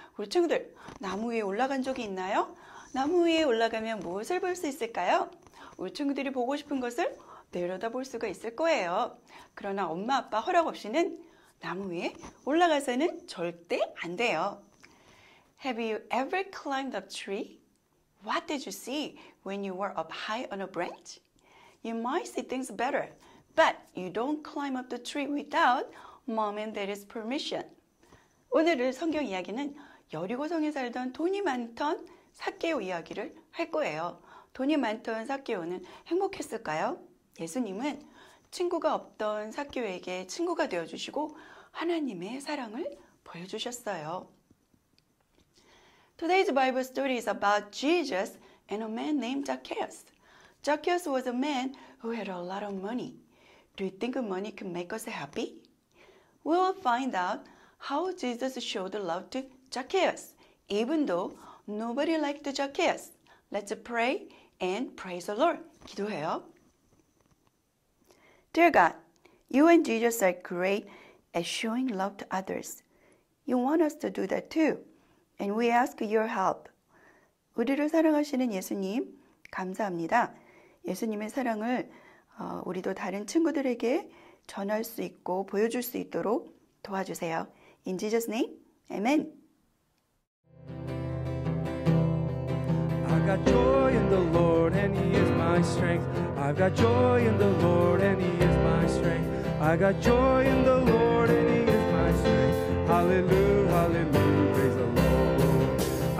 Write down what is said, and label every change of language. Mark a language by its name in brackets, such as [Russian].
[Korean] 우리 친구들, 나무 위에 올라간 적이 있나요? 나무 위에 올라가면 무엇을 볼 수 있을까요? 우리 친구들이 보고 싶은 것을 내려다 볼 수가 있을 거예요. 그러나 엄마 아빠 허락 없이는 나무 위에 올라가서는 절대 안 돼요. [English] Have you ever climbed up a tree? What did you see when you were up high on a branch? You might see things better, but you don't climb up the tree without mom and daddy's permission. [Korean] 오늘의 성경 이야기는 여리고성에 살던 돈이 많던 삭개오 이야기를 할 거예요. 돈이 많던 삭개오는 행복했을까요? 예수님은 친구가 없던 삭개오에게 친구가 되어주시고 하나님의 사랑을 보여주셨어요. [English] Today's Bible story is about Jesus and a man named Zacchaeus. Zacchaeus was a man who had a lot of money. Do you think money can make us happy? We will find out how Jesus showed love to Zacchaeus, even though nobody liked Zacchaeus. Let's pray and praise the Lord. [Korean] 기도해요. [English] Dear God, you and Jesus are great at showing love to others. You want us to do that too, and we ask your help. [Korean] 우리를 사랑하시는 예수님, 감사합니다. 예수님의 사랑을 우리도 다른 친구들에게 전할 수 있고 보여줄 수 있도록 도와주세요. [English] In Jesus' name, Amen. I've got joy in the Lord and He is my strength. I've got joy in the Lord and He is my strength. I've got joy in the Lord and He is my strength. Hallelujah, hallelujah, praise the Lord.